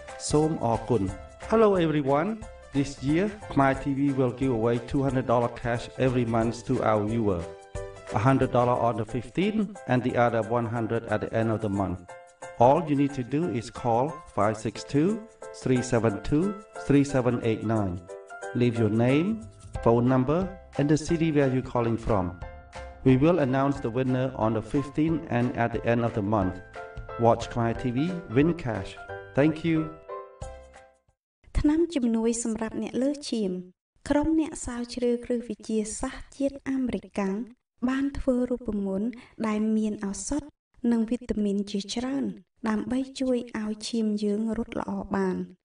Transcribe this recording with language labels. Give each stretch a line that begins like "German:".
Khmer: សូមអរគុណ
English: Hello everyone, this year Khmer TV will give away $200 cash every month to our viewer, $100 on the 15th and the other $100 at the end of the monthAll you need to do is call 562-372-3789. Leave your name, phone number, and the city where you're calling from. We will announce the winner on the 15th and at the end of the month. Watch Khmer TV, win cash. Thank you.
Khmer: ថ្នាំជំនួយសម្រាប់អ្នកលើឈាមក្រុមអ្នកសាវជ្រាវគ្រឹះវិទ្យាសាស្ត្រជាតិអាមេរិកកាំងបានធ្វើរូបមន្តដែលមានឱសថនិងវីតាមីនជាច្រើនដើម្បីជួយឲ្យឈាមយើងរត់ល្អបាន